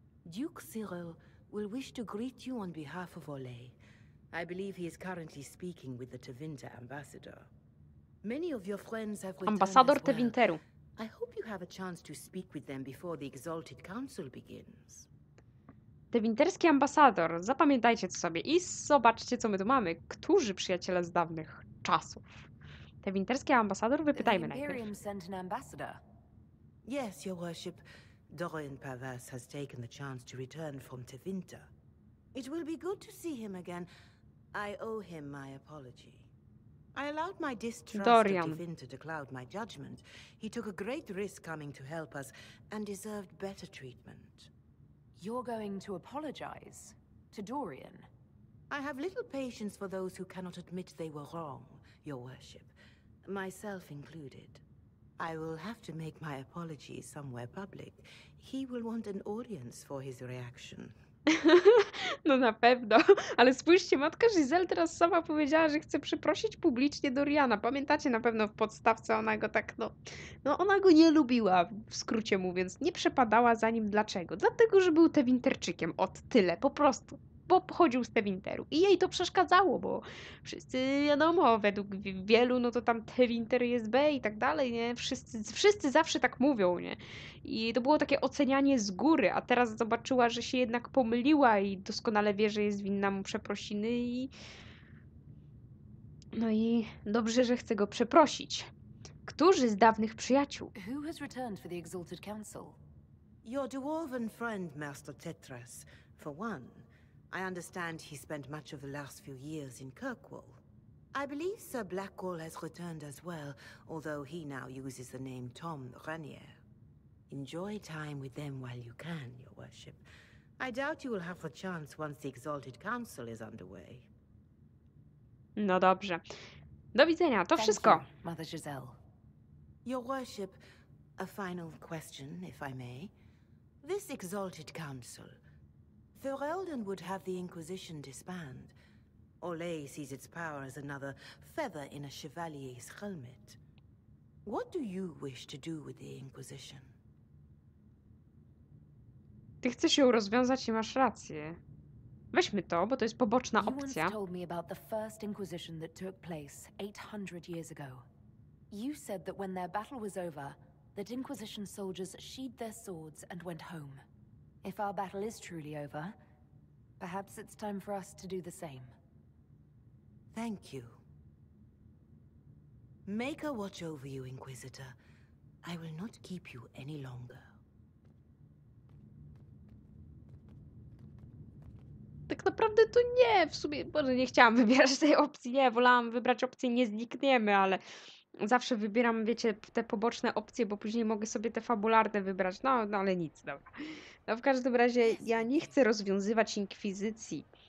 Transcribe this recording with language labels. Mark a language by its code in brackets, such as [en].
[en] Duke Cyril will wish to greet you on behalf of Olé. I believe he is currently speaking with the Tevinter ambassador. Many of your friends have returned ambassador as well. [pl] Tevinteru. [en] I hope you have a chance to speak with them before the Exalted Council begins. [pl] Tevinterski ambasador, zapamiętajcie to sobie i zobaczcie, co my tu mamy. Którzy przyjaciele z dawnych czasów? Tevinterski ambasador, wypytajmy najpierw. [en] Imperium sent an ambassador. Yes, your worship. Dorian Pavas has taken the chance to return from Tevinter. It will be good to see him again. I owe him my apology. I allowed my distrust of Tevinter to cloud my judgment. He took a great risk coming to help us and deserved better treatment. You're going to apologize to Dorian? I have little patience for those who cannot admit they were wrong, your worship. Myself included. I will have to make my apologies somewhere public. He will want an audience for his reaction. [pl] No na pewno. Ale spójrzcie, matka Giselle teraz sama powiedziała, że chce przeprosić publicznie Doriana. Pamiętacie na pewno w podstawce ona go tak, no... No ona go nie lubiła, w skrócie mówiąc. Nie przepadała za nim. Dlaczego? Dlatego, że był Tevinterczykiem. Ot, tyle. Po prostu. pochodził z Tevinteru. I jej to przeszkadzało, bo wszyscy, wiadomo, według wielu, no to tam Tevinter jest B i tak dalej, nie? Wszyscy zawsze tak mówią, nie? I to było takie ocenianie z góry, a teraz zobaczyła, że się jednak pomyliła i doskonale wie, że jest winna mu przeprosiny i... No i dobrze, że chce go przeprosić. Którzy z dawnych przyjaciół? [en] Who has returned for the Exalted Council? Your dwarven friend, Master Tetras, for one. I understand he spent much of the last few years in Kirkwall. I believe Sir Blackwall has returned as well, although he now uses the name Tom Renier. Enjoy time with them while you can, Your Worship. I doubt you will have a chance once the Exalted Council is underway. [pl] No dobrze. Do widzenia, to wszystko. [en] Thank you, Mother Giselle. Your Worship, a final question, if I may. This Exalted Council, Ferelden would have the Inquisition disband. Orlais sees its power as another feather in a chevalier's helmet. What do you wish to do with the Inquisition? [pl] Ty chcesz ją rozwiązać i masz rację. Weźmy to, bo to jest poboczna opcja. [en] You told me about the first Inquisition that took place 800 years ago. You said that when their battle was over, that Inquisition soldiers sheathed their swords and went home. If our battle is truly over, perhaps it's time for us to do the same. Thank you. Make a watch over you, Inquisitor. I will not keep you any longer. [pl] Tak naprawdę to nie, w sumie, może nie chciałam wybierać tej opcji, nie, wolałam wybrać opcję nie znikniemy, ale... Zawsze wybieram, wiecie, te poboczne opcje, bo później mogę sobie te fabularne wybrać. No, no ale nic, dobra. No w każdym razie ja nie chcę rozwiązywać inkwizycji.